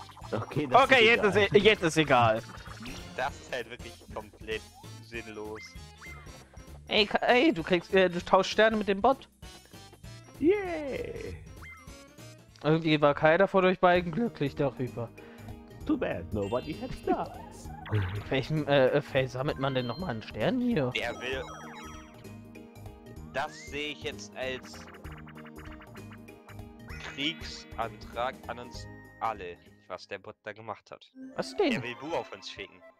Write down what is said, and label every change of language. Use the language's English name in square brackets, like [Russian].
[German] Okay, jetzt ist egal. Das ist halt wirklich komplett sinnlos. Ey, du tauschst Sterne mit dem Bot. Yay! Yeah. Irgendwie war keiner von euch beiden glücklich darüber. [English] Too bad, nobody had stars. [German] Vielleicht sammelt man denn nochmal einen Stern hier? Wer will... Das sehe ich jetzt als... Kriegsantrag an uns alle, was der Bot da gemacht hat. Was denn? Er will Bu auf uns schicken.